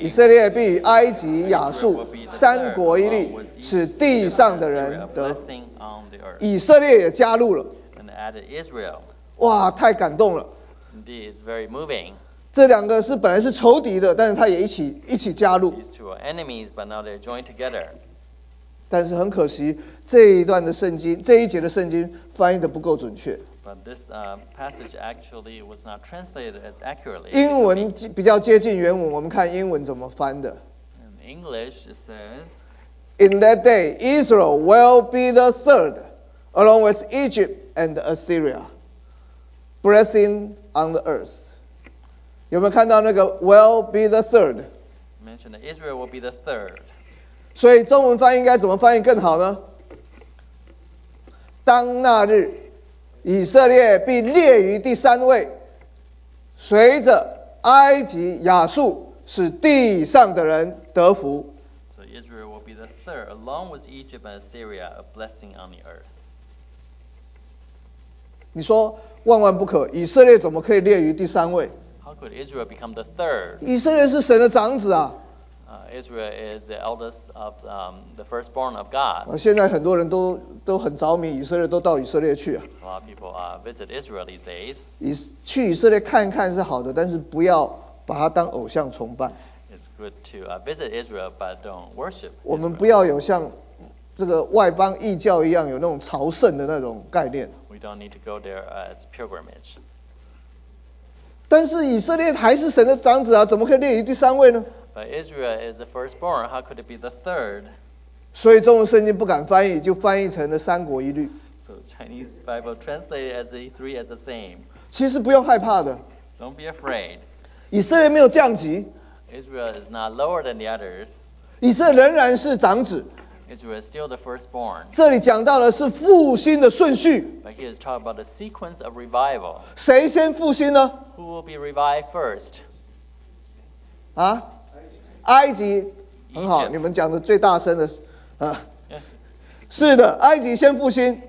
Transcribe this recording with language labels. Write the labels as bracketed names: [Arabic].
[Chinese] 以色列必与埃及、亚述三国一立，使地上的人得。以色列也加入了。 [English] Added Israel. [Chinese] 哇，太感动了。 [English] Indeed, it's very moving. [Chinese] 这两个是本来是仇敌的，但是他也一起加入。 [English] These two are enemies, but now they're joined together. [Chinese] 但是很可惜，这一段的圣经，这一节的圣经翻译的不够准确。 [English] But this passage actually was not translated as accurately. [Chinese] 英文比较接近原文，我们看英文怎么翻的。 [English] In English, it says, In that day, Israel will be the third. along with Egypt and Assyria, blessing on the earth. [Chinese] 有没有看到那个 [English] will be the third? Mentioned that Israel will be the third. [Chinese] 所以中文翻译应该怎么翻译更好呢？当那日，以色列必列于第三位，随着埃及亚述，使地上的人得福。 [English] So Israel will be the third, along with Egypt and Assyria, a blessing on the earth. [Chinese] 你说万万不可，以色列怎么可以列于第三位？ [English] How could Israel become the third? [Chinese] 以色列是神的长子啊。 [English] Israel is the eldest of the firstborn of God. [Chinese] 现在很多人都很着迷，以色列都到以色列去啊。 [English] A lot of people visit Israel these days. [Chinese] 去以色列看一看是好的，但是不要把它当偶像崇拜。 [English] It's good to visit Israel, but don't worship. [Chinese] 我们不要有像这个外邦异教一样有那种朝圣的那种概念。 [English] We don't need to go there as pilgrimage. [Chinese] 但是以色列还是神的长子啊，怎么可以列于第三位呢？ [English] But Israel is the firstborn, how could it be the third? [Chinese] 所以中文圣经不敢翻译，就翻译成了三国一律。 [English] So Chinese Bible translated as the three as the same. [Chinese] 其实不用害怕的。 [English] Don't be afraid. [Chinese] 以色列没有降级。 [English] Israel is not lower than the others. [Chinese] 以色列仍然是长子。 [English] Israel is still the firstborn. [Chinese] 这里讲到的是复兴的顺序。 [English] But here is talking about the sequence of revival. [Chinese] 谁先复兴呢？ [English] Who will be revived first? [Chinese] 啊？埃及。很好，你们讲的最大声的，是的，埃及先复兴。